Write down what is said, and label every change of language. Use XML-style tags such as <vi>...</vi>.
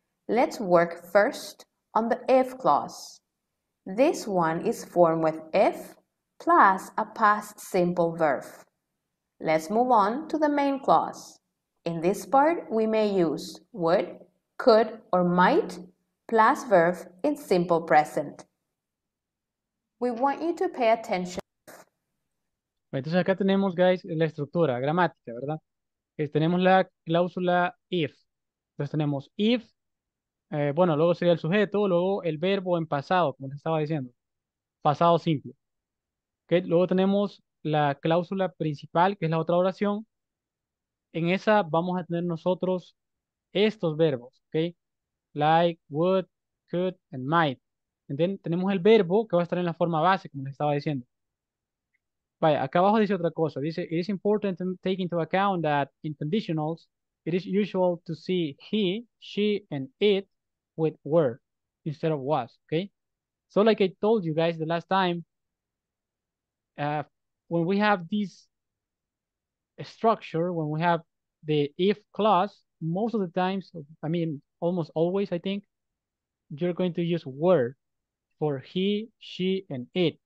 <en>Let's work first on the if clause. This one is formed with if plus a past simple verb. Let's move on to the main clause. In this part, we may use would, could, or might plus verb in simple present. We want you to pay attention.</en> <es>Entonces acá tenemos, guys, la estructura gramática, ¿verdad? Tenemos la cláusula if. Entonces tenemos if, bueno, luego sería el sujeto, luego el verbo en pasado, como les estaba diciendo. Pasado simple. ¿Okay? Luego tenemos la cláusula principal, que es la otra oración. En esa vamos a tener nosotros estos verbos, ¿okay?</es> <en>Like, would, could, and might.</en> <es>¿Entienden? Tenemos el verbo que va a estar en la forma base, como les estaba diciendo. Vaya, acá abajo dice otra cosa. Dice,</es> <en>it is important to take into account that in conditionals, it is usual to see he, she, and it with were instead of was, okay? So like I told you guys the last time, when we have this structure, when we have the if clause, most of the times, I mean, almost always, I think, you're going to use were for he, she, and it.</en>